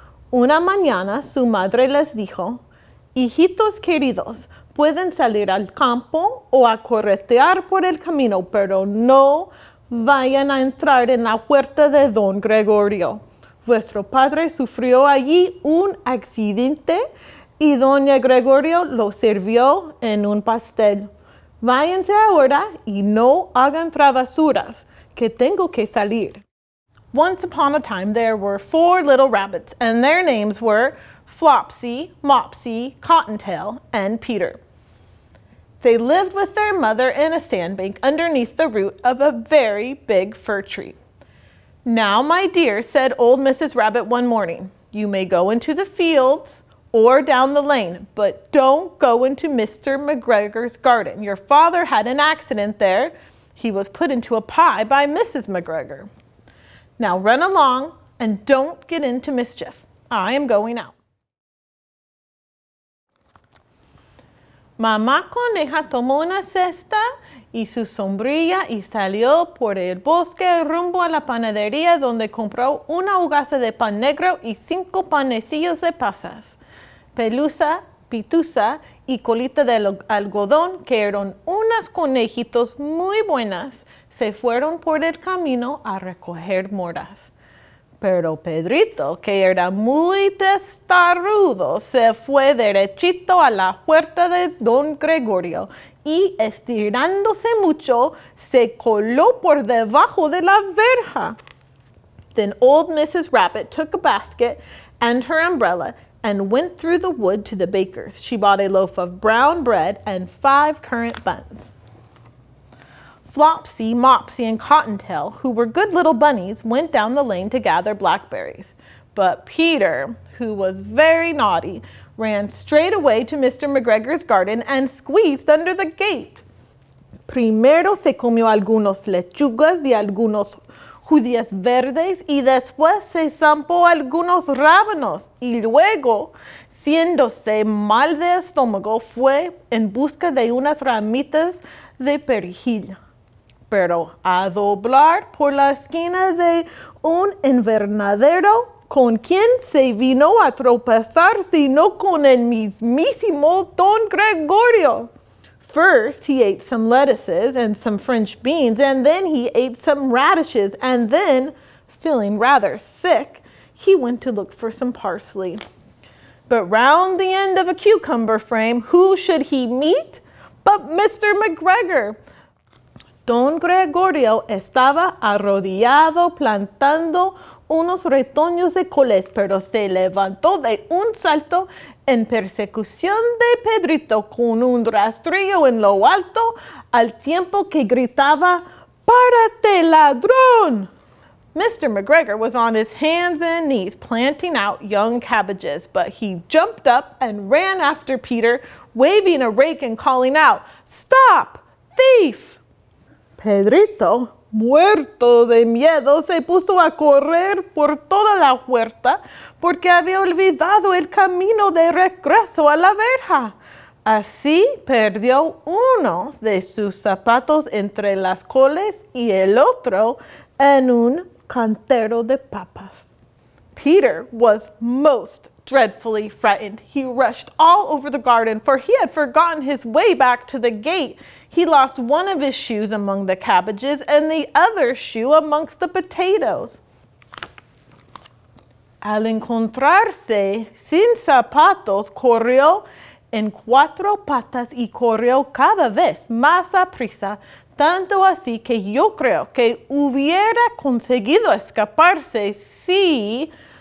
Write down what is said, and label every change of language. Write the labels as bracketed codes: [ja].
[es] Una mañana su madre les dijo, hijitos queridos, pueden salir al campo o a corretear por el camino, pero no vayan a entrar en la huerta de Don Gregorio. Vuestro padre sufrió allí un accidente y Doña Gregorio lo sirvió en un pastel. Váyanse ahora y no hagan travesuras, que tengo que salir. [en] Once upon a time, there were four little rabbits, and their names were Flopsy, Mopsy, Cottontail, and Peter. They lived with their mother in a sandbank underneath the root of a very big fir tree. Now, my dear, said old Mrs. Rabbit one morning, you may go into the fields or down the lane, but don't go into Mr. McGregor's garden. Your father had an accident there. He was put into a pie by Mrs. McGregor. Now run along and don't get into mischief. I am going out. [es] Mamá Coneja tomó una cesta y su sombrilla y salió por el bosque rumbo a la panadería donde compró una hogaza de pan negro y cinco panecillos de pasas. Pelusa, Pitusa y Colita de Algodón, que eran unas conejitos muy buenas, se fueron por el camino a recoger moras. Pero Pedrito, que era muy testarudo, se fue derechito a la huerta de Don Gregorio y estirándose mucho, se coló por debajo de la verja. [en] Then old Mrs. Rabbit took a basket and her umbrella and went through the wood to the baker's. She bought a loaf of brown bread and five currant buns. Flopsy, Mopsy, and Cottontail, who were good little bunnies, went down the lane to gather blackberries. But Peter, who was very naughty, ran straight away to Mr. McGregor's garden and squeezed under the gate. [es] Primero se comió algunos lechugas y algunos judías verdes, y después se zampó algunos rábanos, y luego, siéndose mal de estómago, fue en busca de unas ramitas de perejil. Pero a doblar por la esquina de un invernadero, ¿con quién se vino a tropezar sino con el mismísimo Don Gregorio? [en] First he ate some lettuces and some French beans, and then he ate some radishes, and then, feeling rather sick, he went to look for some parsley. But round the end of a cucumber frame, who should he meet but Mr. McGregor? [es] Don Gregorio estaba arrodillado plantando unos retoños de coles, pero se levantó de un salto en persecución de Pedrito con un rastrillo en lo alto al tiempo que gritaba, ¡Párate, ladrón! [en] Mr. McGregor was on his hands and knees planting out young cabbages, but he jumped up and ran after Peter, waving a rake and calling out, ¡Stop, thief! [es] Pedrito, muerto de miedo, se puso a correr por toda la huerta porque había olvidado el camino de regreso a la verja. Así perdió uno de sus zapatos entre las coles y el otro en un cantero de papas. [en] Peter was most dreadfully frightened. He rushed all over the garden, for he had forgotten his way back to the gate. He lost one of his shoes among the cabbages and the other shoe amongst the potatoes. [es] Al encontrarse sin zapatos, corrió en cuatro patas y corrió cada vez más a prisa, tanto así que yo creo que hubiera conseguido escaparse si